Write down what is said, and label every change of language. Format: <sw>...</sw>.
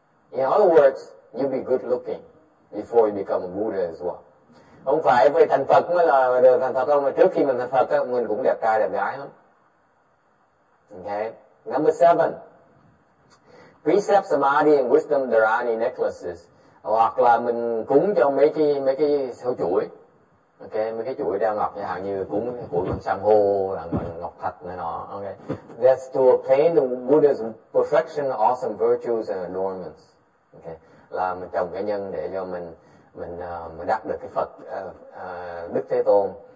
<en>In other words, you be good looking before you become a Buddha as well.</en> <vi>Không phải về thành Phật mới là được thành Phật không, mà trước khi mình thành Phật mình cũng đẹp trai đẹp gái lắm.</vi> <en>Okay. Number 7. Precept samadhi and wisdom dharani necklaces.</en> <vi>Hoặc là mình cúng cho mấy cái sâu chuỗi. Okay, mấy cái chuỗi đeo ngọc, chẳng như cúng của bằng san hô, bằng ngọc thạch này nọ.</vi> <en>Okay. That's to obtain the Buddha's perfection, awesome virtues and adornments. Okay.</en> <vi>Là mình trồng cái nhân để cho mình đắc được cái Phật Đức Thế Tôn.</vi>